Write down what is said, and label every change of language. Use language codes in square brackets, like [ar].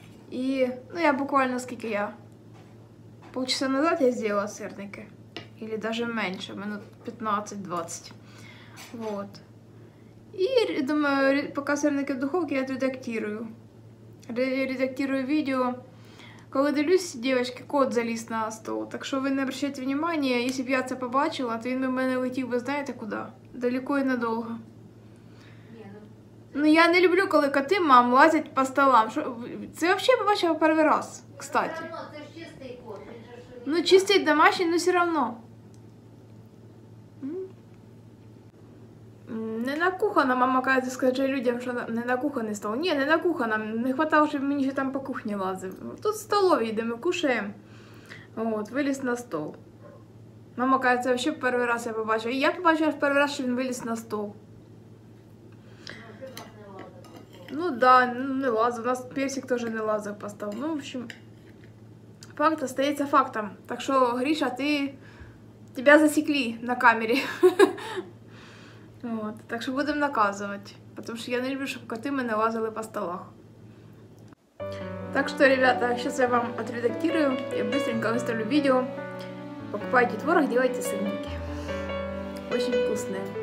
[ru] И, ну, я буквально сколько я. Полчаса назад я сделала сырники. Или даже меньше, минут 15-20. Вот. И думаю, пока сырники в духовке, я редактирую. Редактирую видео. [uk] Коли дивлюсь, девочки, кот заліз на стол, так що ви [ru] не обращайте внимания, если б [uk] я це побачила, то він би в мене летів би знаєте куди? Далеко і надовго. Ну я не люблю, коли коти, мам, лазять по столам. Шо? Це взагалі я побачила перший раз, кстати. [ru] Все равно, [uk] це ж чистий кот. Ну чистий домашній, [ru] но все равно. [uk] Не на кухонно, мама каже, скажи людям, що не на кухонний стол. Ні, не на кухонно, не хватало, щоб мені ще там по кухні лазив. Тут в столовій, де ми кушаємо. От, виліз на стол. Мама каже, це взагалі перший раз я побачила. І я побачила перший раз, що він виліз на стол. Ну так, не лазив. У нас персик теж не лазив по столу. Ну, [ru] в общем, [uk] факт остається фактом. Так що, Гріша, тебе засекли на камері. [ru] Вот, так что будем наказывать, потому что я не люблю, чтобы коты мне лазали по столах. Так что, ребята, сейчас я вам отредактирую и быстренько выставлю видео. Покупайте творог, делайте сырники. Очень вкусные.